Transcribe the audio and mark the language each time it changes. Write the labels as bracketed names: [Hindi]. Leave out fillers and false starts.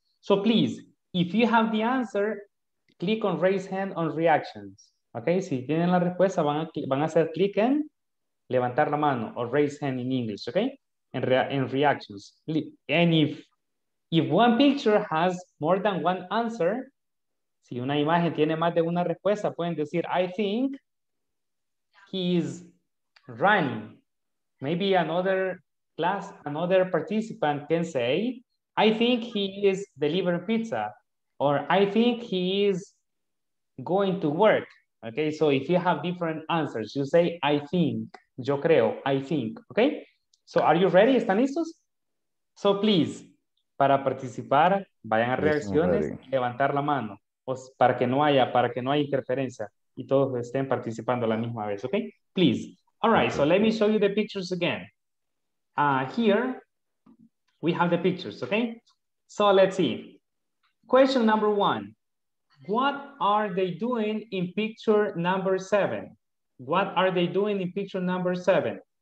[English] So please, if you have the answer, click on raise hand on reactions. [Spanish] Ok, si tienen la respuesta, van a hacer click en levantar la mano o [English] raise hand in English. Ok, en reactions. And if one picture has more than one answer, [Spanish] si una imagen tiene más de una respuesta, pueden decir, [English] I think he is running. Maybe another participant can say, I think he is delivering pizza, or I think he is going to work. Okay, so if you have different answers, you say, I think, [Spanish] yo creo, [English] I think. Okay, so are you ready? [Spanish] ¿Están listos? [English] So please, [Spanish] para participar, vayan a reacciones, levantar la mano, pues para que no haya interferencia y todos estén participando a la misma vez, ¿ok? [English] Please. All right, okay. So let me show you the pictures again. Here, we have the pictures, ¿ok? So let's see. Question number one. What are they doing in picture number seven? What are they doing in picture number seven?